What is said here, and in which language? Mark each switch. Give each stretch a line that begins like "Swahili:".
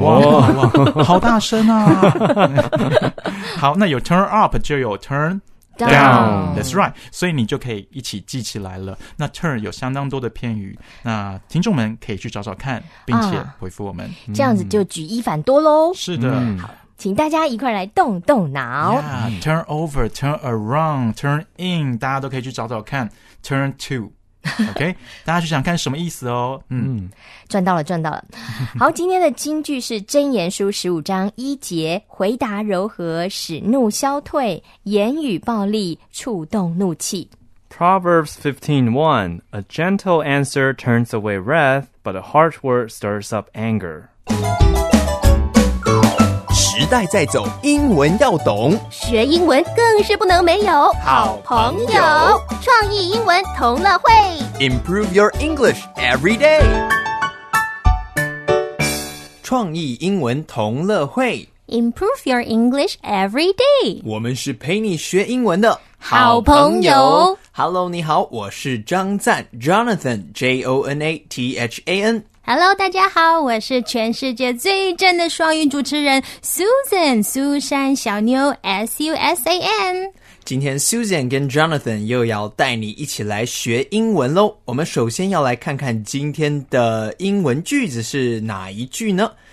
Chinese: 嗯、哇, 哇，好大声啊好，那有 turn up 就有 turn
English: down，
Chinese: that's right，所以你就可以一起记起来了。那 turn 有相当多的片语，那听众们可以去找找看，并且回复我们、啊、这样子就举一反多咯。是的、嗯、好，请大家一块来动动脑 yeah， turn over， turn around， turn in， 大家都可以去找找看， turn to OK， 大家去想看什么意思哦。嗯，赚到了，赚到了。好，今天的金句是《箴言书》15:1，回答柔和，使怒消退；言语暴力，触动怒气。
English: Proverbs 15:1 A gentle answer turns away wrath, but a harsh word stirs up anger.
Chinese: 时代在走，英文要懂，学英文更是不能没有好朋友。创意英文同乐会
English: ，Improve your English every day。
Chinese: 创意英文同乐会
English: ，Improve your English every day。
Chinese: 我们是陪你学英文的好朋友。 Hello， 你好，我是张赞 ，Jonathan， J O N A T H A N。 Hello， 大家好，我是全世界最正的双语主持人 Susan， 苏珊小妞 ，S-U-S-A-N。今天 Susan 跟 Jonathan 又要带你一起来学英文咯。我们首先要来看看今天的英文句子是哪一句呢？